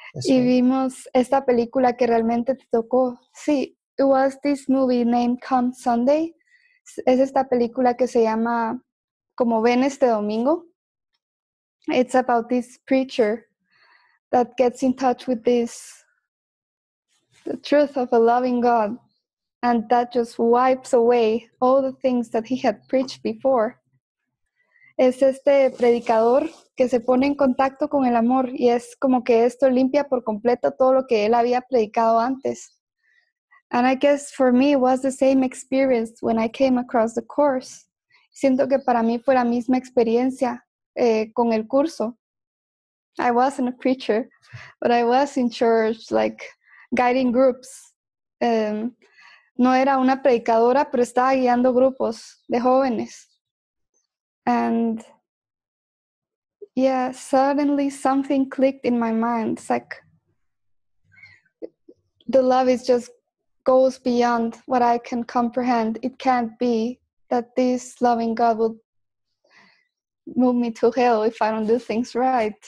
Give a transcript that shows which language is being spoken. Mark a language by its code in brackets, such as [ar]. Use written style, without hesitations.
[es] Y vimos esta película que realmente te tocó. [en] Sí, it was this movie named Come Sunday. [es] Es esta película que se llama Como Ven Este Domingo. [en] It's about this preacher that gets in touch with this, the truth of a loving God, and that just wipes away all the things that he had preached before. [es] Es este predicador que se pone en contacto con el amor, y es como que esto limpia por completo todo lo que él había predicado antes. [en] And I guess for me it was the same experience when I came across the course. [es] Siento que para mí fue la misma experiencia con el curso. [en] I wasn't a preacher, but I was in church, like guiding groups. [es] No era una predicadora, pero estaba guiando grupos de jóvenes. [en] And yeah, suddenly something clicked in my mind. It's like the love is just goes beyond what I can comprehend. It can't be that this loving God would move me to hell if I don't do things right.